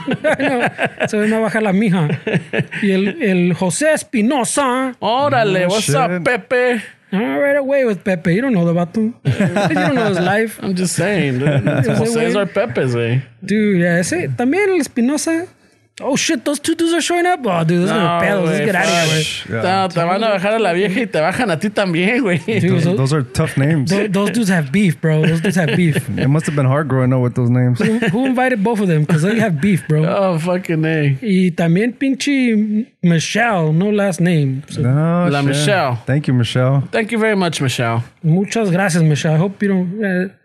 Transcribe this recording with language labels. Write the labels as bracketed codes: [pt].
[es] Se viene a bajar la mija. Y el José Espinosa. Órale, [en] what's up, Pepe? Right away with Pepe. You don't know the vato. You don't know his life. I'm just saying. José's our Pepe's, eh? Dude, yeah. [es] Ese, también el Espinosa. [en] Oh shit, those two dudes are showing up? Oh, dude, those are pedos. Let's get out of here, [es] No, te van a bajar a la vieja y te bajan a ti también, güey. [en] Those are tough names. Those dudes have beef, bro. Those dudes have beef. It must have been hard growing up with those names. Who invited both of them? Because they have beef, bro. Oh, fucking A. [es] Y también pinche Michelle, [en] no last name. So. No, la shit. Michelle. Thank you, Michelle. Thank you very much, Michelle. [es] Muchas gracias, [en] Michelle. I hope you don't...